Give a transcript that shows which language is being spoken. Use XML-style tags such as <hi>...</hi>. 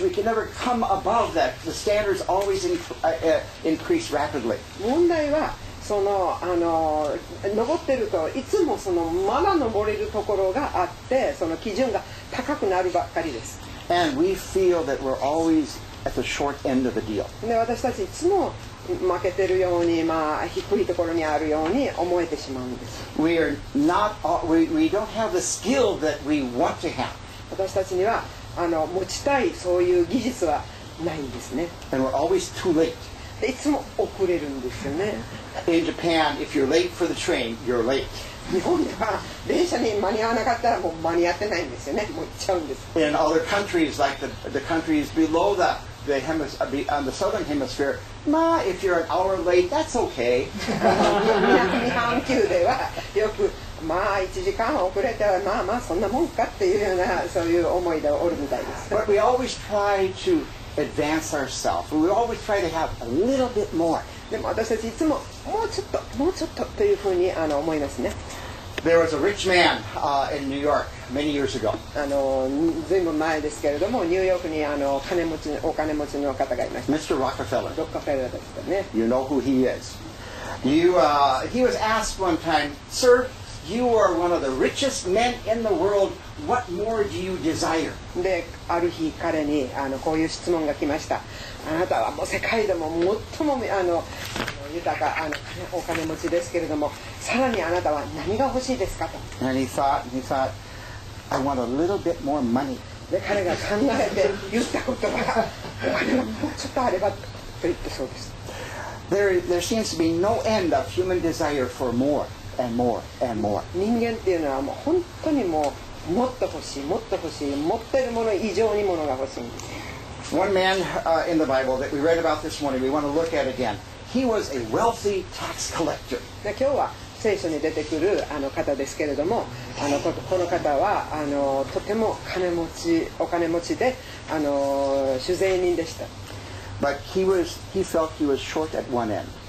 <en>We can never come above that. The standard is always increase rapidly.</en> <ja>問題はその登ってるといつもそのまだ登れるところがあってその基準が高くなるばっかりです。</ja> <en>And we feel that we're always at the short end of the deal.</en> <ja>で私たちいつも負けてるようにまあ低いところにあるように思えてしまうんです。</ja> <en>We are not we don't have the skill that we want to have.</en> <ja>私たちには持ちたいそういう技術はないんですね。</ja> <en>And we're always too late.</en> <ja>でいつも遅れるんですよね。</ja> <en>In Japan, if you're late for the train, you're late.</en> <ja>日本では電車に間に合わなかったらもう間に合ってないんですよね。もう行っちゃうんです。</ja> <en>In other countries, like the countries below that. On the southern hemisphere, ma, if you're an hour late, that's okay.</en> <ja>南半球ではよくまあ1時間遅れたらまあまあそんなもんかっていうようなそういう思いでおるみたいです。</ja> <en>But we always try to advance ourselves. We always try to have a little bit more.</en> <ja>でも私たちいつももうちょっともうちょっとというふうに思いますね。</ja> <en>There was a rich man in New York many years ago.</en> <ja>ずいぶん前ですけれども、ニューヨークにお金持ちの方がいました。</ja> <en>Mr. Rockefeller.</en> <ja>ロックフェラーですね。</ja> <en>You know who he is. He was asked one time, "Sir, you are one of the richest men in the world. What more do you desire?"</en> <ja>で、ある日彼にあのこういう質問が来ました。あなたはもう世界でも最もあの豊かあのお金持ちですけれども、さらにあなたは何が欲しいですかと。</ja> <en>And he thought, "I want a little bit more money."</en> <ja>で、彼が考えて言った言葉が、お金がもうちょっとあればと言ってそうです。</ja> <en>There seems to be no end of human desire for more and more and more.</en> <ja>人間っていうのはもう本当にもうもっと欲しい、もっと欲しい、持ってるもの以上にものが欲しい。</ja> <en>One man in the Bible that we read about this morning, we want to look at again. He was a wealthy tax collector.</en> <ja>今日は聖書に出てくるあの方ですけれども、あのこの方はあのとても金持ち、お金持ちで、あの主税人でした。</ja> <en>But he felt he was short at one end.</en>